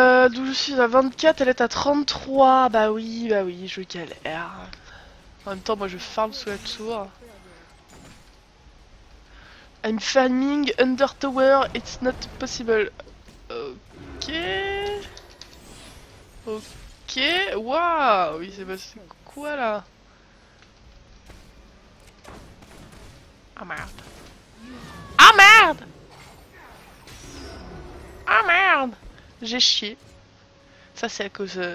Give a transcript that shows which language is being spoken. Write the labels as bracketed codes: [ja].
[fr] D'où je suis à 24, elle est à 33. Bah oui, je galère. En même temps, moi je farm sous la tour. [en] I'm farming under tower, it's not possible. Ok. [fr] Ok, waouh, il s'est passé quoi là? Ah merde. Ah merde! Ah merde! J'ai chié. Ça c'est à cause...